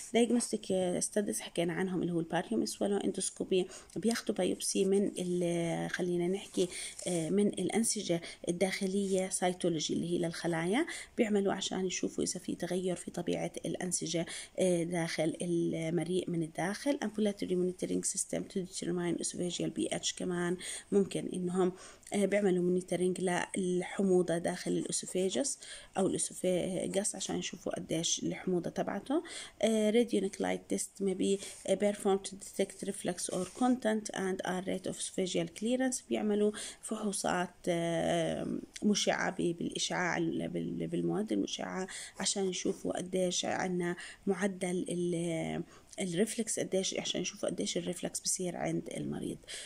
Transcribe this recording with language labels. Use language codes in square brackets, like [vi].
[en] diagnostic studies [ar] حكينا عنهم اللي هو الباريوم سولو اندوسكوبي, بياخدوا بايوبسي من خلينا نحكي من الأنسجة الداخلية سايتولوجي اللي هي للخلايا, بيعملوا عشان يشوفوا إذا في تغير في طبيعة الأنسجة داخل المريء من الداخل. [en] ambulatory monitoring system to determine esophageal pH. [ar] كمان ممكن إنهم بيعملوا مونيتورينج للحموضة داخل الأسوفيجس أو الأسوفيجس عشان يشوفوا قديش الحموضة تبعته. [en] radionuclide test may be performed to detect reflux or content and a rate of esophageal clearance. [ar] بيعملوا فحوصات مشعة بالإشعاع بالمواد المشعة عشان يشوفوا قديش عنا معدل الريفلكس, قديش عشان يشوفوا قديش الريفلكس بصير عند المريض.